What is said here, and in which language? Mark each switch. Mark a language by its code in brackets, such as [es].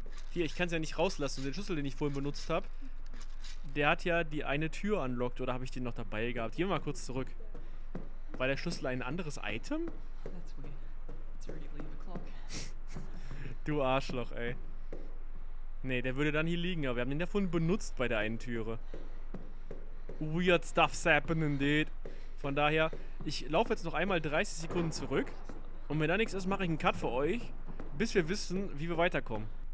[de] Hier, ich kann es ja nicht rauslassen. Den Schlüssel, den ich vorhin benutzt habe, der hat ja die eine Tür unlocked. Oder habe ich den noch dabei gehabt? Gehen wir mal kurz zurück. War der Schlüssel ein anderes Item? [en] That's weird. It's already 11 o'clock. [de] Du Arschloch, ey. Nee, der würde dann hier liegen, aber wir haben den davon benutzt bei der einen Türe. [en] Weird stuff's happening, dude. [de] Von daher, ich laufe jetzt noch einmal 30 Sekunden zurück. Und wenn da nichts ist, mache ich einen Cut für euch, bis wir wissen, wie wir weiterkommen.